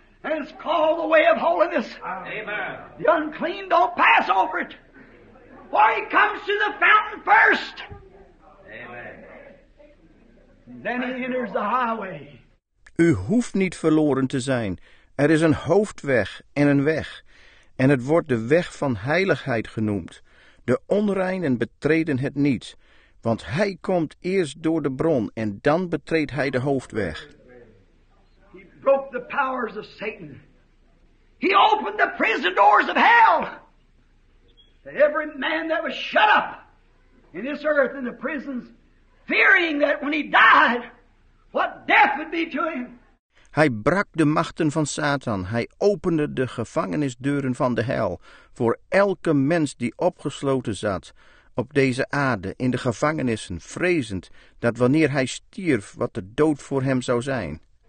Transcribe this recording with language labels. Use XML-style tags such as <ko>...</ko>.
<en>And it's called the way of holiness. Amen. The unclean don't pass over it. For he comes to the fountain first. Amen. Then he enters the highway.</en> <nl>U hoeft niet verloren te zijn. Er is een hoofdweg en een weg. En het wordt de weg van heiligheid genoemd. De onreinen betreden het niet. Want hij komt eerst door de bron en dan betreedt hij de hoofdweg.</nl> <en>He broke the powers of Satan. He opened the prison doors of hell. That every man that was shut up in this earth in the prisons, fearing that when he died, what death would be to him.</en> <nl>Hij brak de machten van Satan. Hij opende de gevangenisdeuren van de hel voor elke mens die opgesloten zat op deze aarde in de gevangenissen, vrezend dat wanneer hij stierf, wat de dood voor hem zou zijn.</nl>